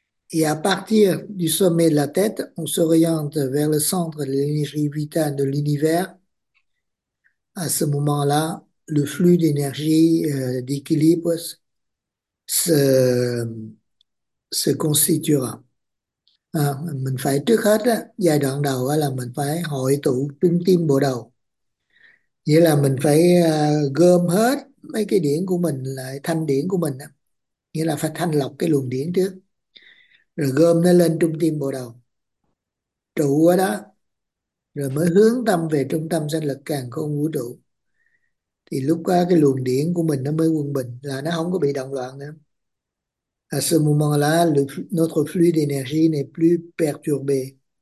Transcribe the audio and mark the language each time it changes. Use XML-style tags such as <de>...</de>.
<fr>Et à partir du sommet de la tête, on s'oriente vers le centre de l'énergie vitale de l'univers. À ce moment-là, le flux d'énergie d'équilibre se constituera.</fr> <vi>À, mình phải trước hết giai đoạn đầu là mình phải hội tụ trung tâm bộ đầu, nghĩa là mình phải gom hết mấy cái điển của mình lại, thanh điển của mình, nghĩa là phải thanh lọc cái luồng điển trước, rồi gom nó lên trung tâm bộ đầu, trụ ở đó, rồi mới hướng tâm về trung tâm sinh lực càn khôn vũ trụ. Thì lúc đó cái luồng điển của mình nó mới quân bình, là nó không có bị động loạn nữa.</vi> <fr>À ce moment-là, notre flux d'énergie n'est plus perturbé.</fr>